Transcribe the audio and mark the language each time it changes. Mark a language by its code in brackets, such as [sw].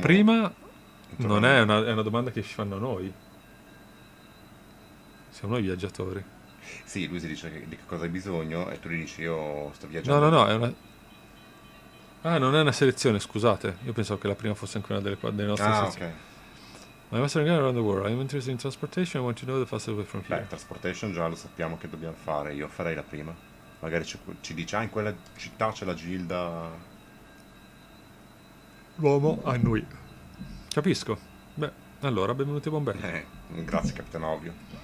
[it] La prima non è una domanda che ci fanno noi. Siamo noi viaggiatori. Sì, lui si dice di che cosa hai bisogno e tu gli dici io sto viaggiando. No, è una... non è una selezione, scusate. Io pensavo che la prima fosse anche una delle nostre selezioni. Ah, ok. [en] My master and guide around the world. I'm interested in transportation. I want to know the fastest way from here. [it] Beh, transportation già lo sappiamo che dobbiamo fare. Io farei la prima. Magari ci dice, in quella città c'è la gilda... L'uomo a noi. Capisco. Beh, allora, benvenuti a Bombay. Grazie, Capitano Ovvio.